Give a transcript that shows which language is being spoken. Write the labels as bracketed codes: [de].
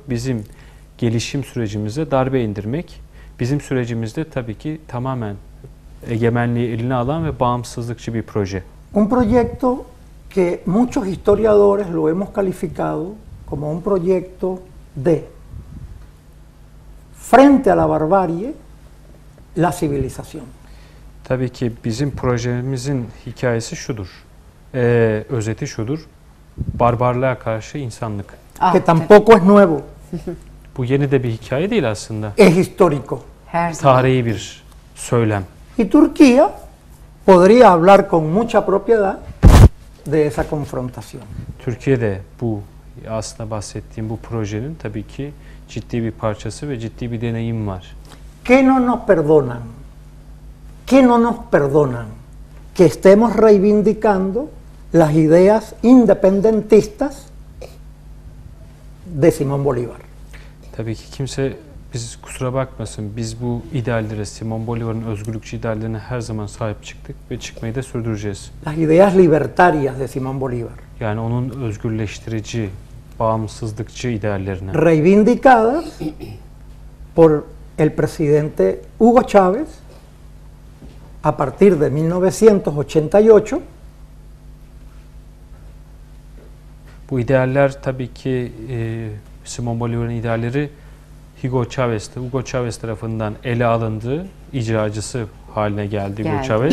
[tr] Bizim gelişim sürecimize darbe indirmek, bizim sürecimizde tabii ki tamamen egemenliği eline alan ve bağımsızlıkçı bir proje. [es] Un proyecto que muchos historiadores lo hemos calificado como un proyecto de frente a la barbarie, la civilización. [tr] Tabii ki bizim projemizin hikayesi şudur. Özeti şudur. Barbarlığa karşı insanlık. [es] Que tampoco es nuevo. [tr] Bu yeni de bir hikaye değil aslında. [es] Es histórico. [tr] Tarihi bir söylem. [es] Y Turquía podría hablar con mucha propiedad de esa confrontación. [tr] Türkiye'de bu aslında bahsettiğim bu projenin tabii ki ciddi bir parçası ve ciddi bir deneyim var. [es] Que no nos perdonan. Que no nos perdonan que estemos reivindicando las ideas independentistas de Simón Bolívar. [tr] Tabii ki kimse biz kusura bakmasın. Biz bu idealleri, Simón Bolívar'ın özgürlükçü ideallerine her zaman sahip çıktık ve çıkmayı da sürdüreceğiz. [es] Las ideas libertarias de Simón Bolívar. [tr] Yani onun özgürleştirici, bağımsızlıkçı ideallerine. [es] Reivindicadas por el presidente Hugo Chávez a partir de 1988. [tr] Bu idealler tabii ki Simón Bolívar'ın idealleri Hugo Chávez tarafından ele alındı, icracısı haline geldi Hugo Chávez.